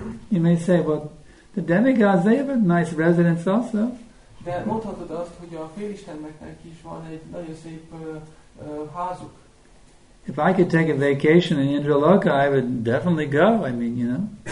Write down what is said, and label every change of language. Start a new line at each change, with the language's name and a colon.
English: You may say, well, the demigods, they have a nice residence also.
Hungarian: De mondhatod azt, hogy a félisteneknek is van egy nagyon szép házuk.
English: If I could take a vacation in Indraloka, I would definitely go, I mean, you know.